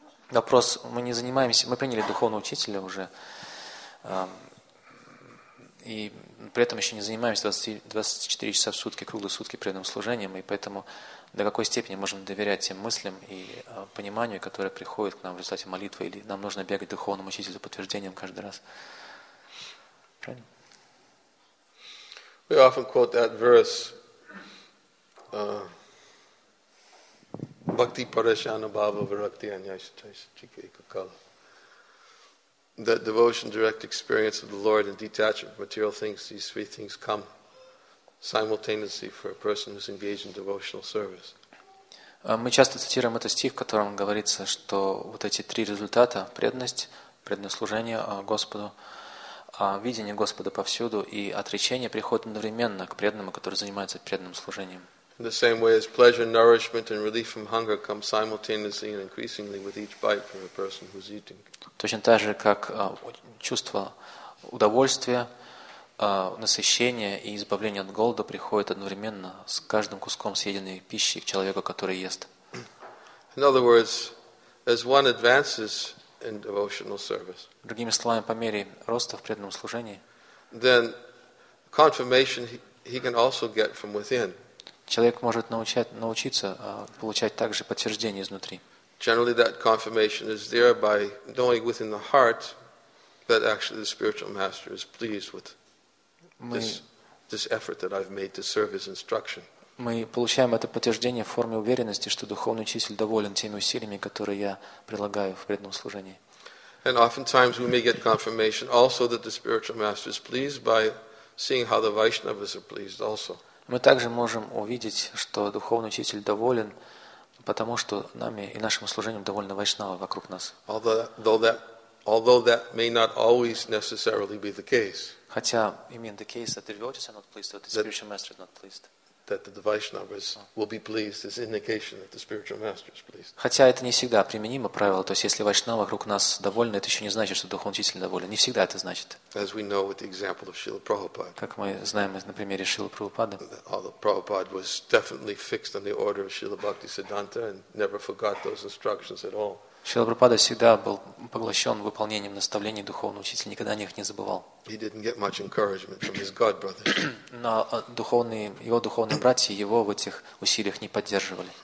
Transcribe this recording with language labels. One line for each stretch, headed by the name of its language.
Russian: Вопрос, мы не занимаемся, мы приняли духовного учителя уже, и при этом еще не занимаемся 24 часа в сутки, круглые сутки преданным служением, и поэтому до какой степени можем доверять тем мыслям и пониманию, которое приходит к нам в результате молитвы, или нам нужно бегать к духовному учителю за подтверждением каждый раз. Правильно?
English: We often quote that verse
Sanskrit: Bhakti Parashana Bhava Virakti Anyashtayashtikikakala.
English: That devotion, direct experience of the Lord, and detachment from material things, these three things come simultaneously for a person who's engaged in devotional service.
Russian: Мы часто цитируем этот стих, в котором говорится, что вот эти три результата – преданность, преданное служение Господу, видение Господа повсюду и отречение приходит одновременно к преданному, который занимается преданным служением.
English: In the same way as pleasure, nourishment, and relief from hunger come simultaneously and increasingly with each bite from a person who's eating.
Russian: Точно так же, как чувство удовольствия, насыщения и избавления от голода приходит одновременно с каждым куском съеденной пищи к человеку, который ест.
English: In other words, as one advances in devotional service.
Russian: Другими словами, по мере роста в преданном служении,
English: then confirmation he can also get from within.
Russian: Человек может научиться получать также подтверждение изнутри.
English: Generally, that confirmation is there by knowing within the heart that actually the spiritual master is pleased with this effort that I've made to serve his instruction.
Russian: Мы получаем это подтверждение в форме уверенности, что духовный учитель доволен теми усилиями, которые я прилагаю в преданном служении.
English: And oftentimes we may get confirmation also that the spiritual master is pleased by seeing how the Vaishnavas are pleased also.
Russian: Мы также можем увидеть, что духовный учитель доволен, потому что нами и нашим служением довольны вайшнавы вокруг нас.
English: Although that may not always necessarily be the case. Хотя, you mean the case that the devotees are not pleased, that the spiritual master is not pleased. That the Vaishnavas will be pleased is indication that the spiritual master is pleased.
Russian: Хотя это не всегда применимо правило, то есть если вайшнава вокруг нас довольны, это еще не значит, что духовный учитель доволен. Не всегда это значит.
English: As we know with the example of Srila Prabhupada.
Russian: Как мы знаем на примере Шрилы Прабхупады.
English: Although Prabhupada was definitely fixed on the order of Srila Bhakti Siddhanta and never forgot those instructions at all.
Russian: Шрила Прабхупада всегда был поглощен выполнением наставлений духовного учителя, никогда о них не забывал.
English: He didn't get much encouragement from his god brothers.
Russian: Но духовные, его духовные братья его в этих усилиях не поддерживали.